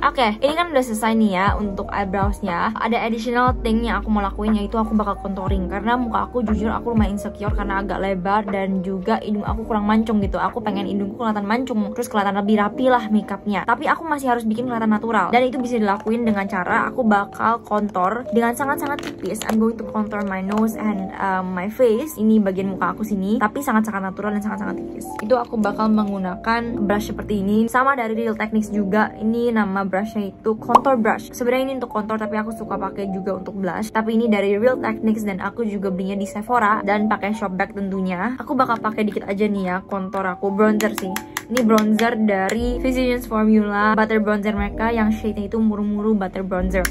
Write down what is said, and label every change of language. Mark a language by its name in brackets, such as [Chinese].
[Indonesian] Oke, ini kan udah selesai nih ya untuk eyebrowsnya. Ada [English] additional thing [Indonesian] yang aku mau lakuin, yaitu aku bakal contouring. Karena muka aku jujur aku lumayan insecure karena agak lebar dan juga hidung aku kurang mancung gitu. Aku pengen hidungku kelihatan mancung, terus kelihatan lebih rapi lah makeupnya. Tapi aku masih harus bikin kelihatan natural. Dan itu bisa dilakuin dengan cara aku bakal contour dengan sangat-sangat tipis. [English] I'm going to contour my nose and my face. [Indonesian] Ini bagian muka aku sini, tapi sangat-sangat natural dan sangat-sangat tipis. Itu aku bakal menggunakan brush seperti ini. Sama dari Real Techniques juga. Ini nama brushnya itu contour brush. Sebenarnya ini untuk contour, tapi aku suka pakai juga untuk blush. Tapi ini dari Real Techniques dan aku juga belinya di Sephora dan pakai shop bag tentunya. Aku bakal pakai dikit aja nih ya contour aku, bronzer sih. Ini bronzer dari Physicians Formula, butter bronzer mereka yang shade-nya itu muru-muru butter bronzer.